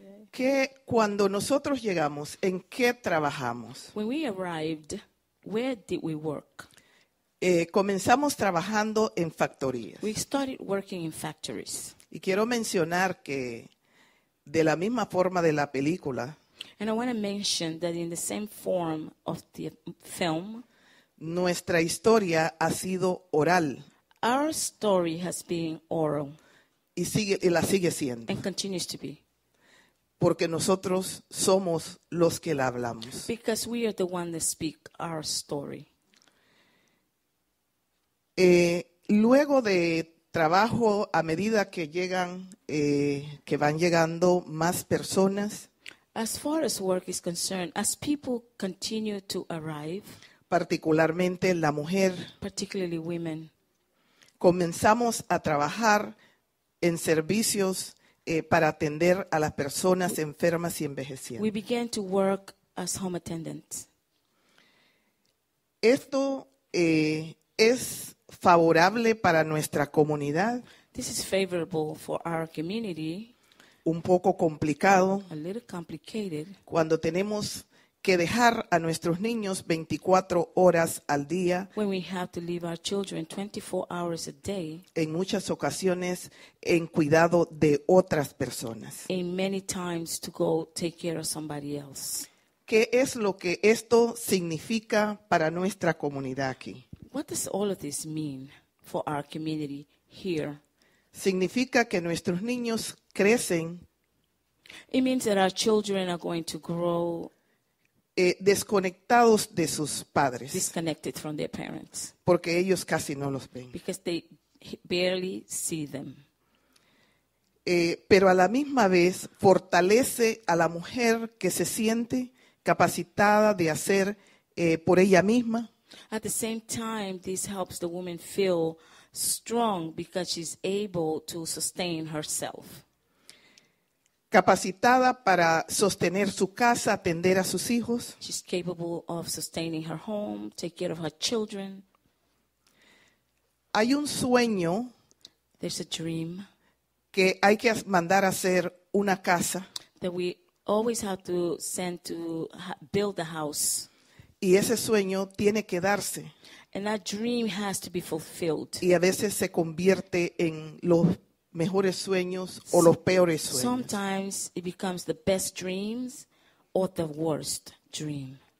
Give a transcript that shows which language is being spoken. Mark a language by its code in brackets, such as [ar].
[es] Que cuando nosotros llegamos, ¿en qué trabajamos? [en] When we arrived, where did we work? [es] Comenzamos trabajando en factorías. [en] We started working in factories. [es] Y quiero mencionar que de la misma forma de la película, [en] and I want to mention that in the same form of the film, [es] nuestra historia ha sido oral. [en] Our story has been oral. [es] Y la sigue siendo. [en] And continues to be. [es] Porque nosotros somos los que la hablamos. [en] Because we are the one that speak our story. [es] Luego de trabajo, a medida que llegan, que van llegando más personas. [en] As far as work is concerned, as people continue to arrive, [es] particularmente la mujer, [en] particularly women, [es] comenzamos a trabajar en servicios para atender a las personas enfermas y envejecidas. [en] We began to work as home attendants. [es] Esto es favorable para nuestra comunidad. [en] This is favorable for our community. [es] Un poco complicado. [en] A little complicated. [es] Cuando tenemos que dejar a nuestros niños 24 horas al día. [en] When we have to leave our children 24 hours a day. [es] En muchas ocasiones en cuidado de otras personas. [en] And many times to go take care of somebody else. [es] ¿Qué es lo que esto significa para nuestra comunidad aquí? [en] What does all of this mean for our community here? [es] Significa que nuestros niños crecen. [en] It means that our children are going to grow [es] desconectados de sus padres. [en] Disconnected from their parents. [es] Porque ellos casi no los ven. [en] Because they barely see them. [es] Pero a la misma vez fortalece a la mujer que se siente capacitada de hacer por ella misma. [en] At the same time, this helps the woman feel strong because she's able to sustain herself. [es] Capacitada para sostener su casa, atender a sus hijos. [en] She's capable of sustaining her home, take care of her children. [es] Hay un sueño. [en] There's a dream. [es] Que hay que mandar a hacer una casa. [en] That we always have to send to build a house. [es] Y ese sueño tiene que darse. [en] And that dream has to be fulfilled. [es] Y a veces se convierte en los mejores sueños o los peores sueños. [en] Sometimes it becomes the best dreams or the worst dream.